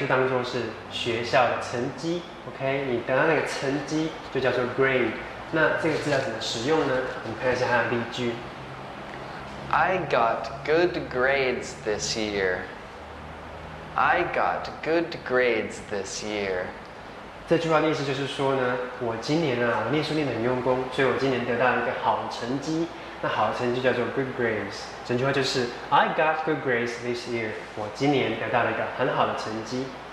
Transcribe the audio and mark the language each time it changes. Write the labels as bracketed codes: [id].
[zh] 就当作是学校的成绩 ，OK， 你得到那个成绩就叫做 grade。那这个字要怎么使用呢？我们看一下它的例句。 [en] I got good grades this year. I got good grades this year. [zh] 这句话的意思就是说呢，我今年啊，我念书念得很用功，所以我今年得到一个好成绩。那好的成绩叫做 good grades， 整句话就是 [en] I got good grades this year， [zh] 我今年得到了一个很好的成绩。